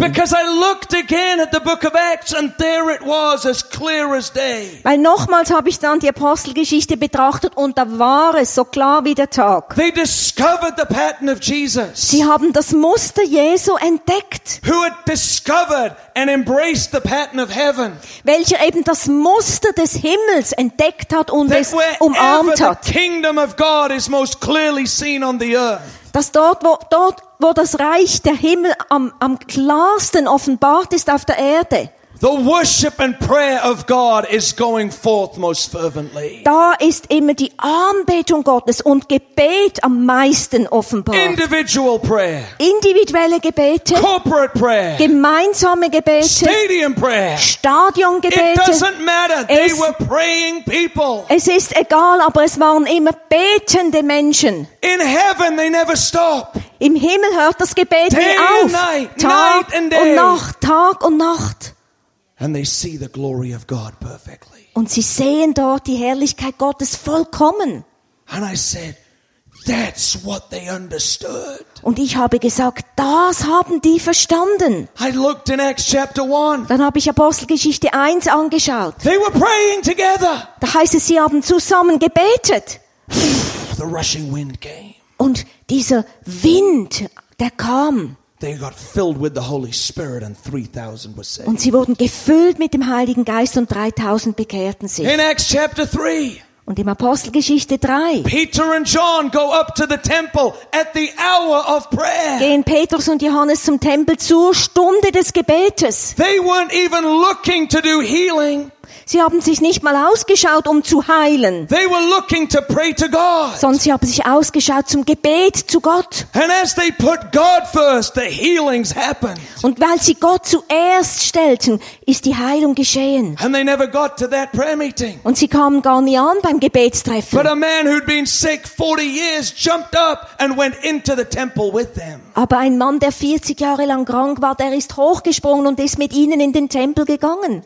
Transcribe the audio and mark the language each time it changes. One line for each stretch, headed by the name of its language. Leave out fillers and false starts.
English: Because I looked again at the book of Acts and there it was as clear as day.
German: Weil nochmals habe ich dann die Apostelgeschichte betrachtet und da war es so klar wie der Tag.
English: Discovered the pattern of Jesus.
German: Sie haben das Muster Jesu entdeckt.
English: Who had discovered and embraced the pattern of heaven?
German: Welcher eben das Muster des Himmels entdeckt hat und es umarmt hat.
English: The kingdom of God is most clearly seen on the earth.
German: Dass dort wo das Reich der Himmel am klarsten offenbart ist auf der Erde.
English: The worship and prayer of God is going forth most fervently.
German: Da ist immer die Anbetung Gottes und Gebet am meisten offenbart.
English: Individual prayer.
German: Individuelle Gebete.
English: Corporate prayer.
German: Gemeinsame Gebete.
English: Stadium prayer.
German: Stadiongebete.
English: It doesn't matter. They were praying people.
German: Es ist egal, aber es waren immer betende Menschen.
English: In heaven they never stop.
German: Im Himmel hört das Gebet nie auf.
English: Night and day.
German: Und Nacht, Tag und Nacht.
English: And they see the glory of God perfectly.
German: Und sie sehen dort die Herrlichkeit Gottes vollkommen.
English: And I said, that's what they understood.
German: Und ich habe gesagt, das haben die verstanden.
English: I looked in Acts chapter 1.
German: Dann habe ich Apostelgeschichte 1 angeschaut.
English: They were praying together.
German: Da heißt es, sie haben zusammen gebetet.
English: The rushing wind came.
German: Und dieser Wind, der kam.
English: They got filled with the Holy Spirit and 3,000 were saved.
German: Und sie wurden gefüllt mit dem Heiligen Geist und 3,000 bekehrten sich.
English: In Acts chapter 3.
German: Und im Apostelgeschichte 3.
English: Peter and John go up to the temple at the hour of prayer.
German: Gehen Petrus und Johannes zum Tempel zur Stunde des Gebetes.
English: They weren't even looking to do healing.
German: Sie haben sich nicht mal ausgeschaut, um zu heilen.
English: They were looking to pray to God.
German: Sondern sie haben sich ausgeschaut zum Gebet zu Gott.
English: And as they put God first, the healings happened.
German: Und weil sie Gott zuerst stellten, ist die Heilung geschehen.
English: And they never got to that prayer meeting.
German: Und sie kamen gar nie an beim Gebetstreffen.
English: But a man who'd been sick 40 years jumped up and went into the temple with them.
German: Aber ein Mann, der 40 Jahre lang krank war, der ist hochgesprungen und ist mit ihnen in den Tempel gegangen.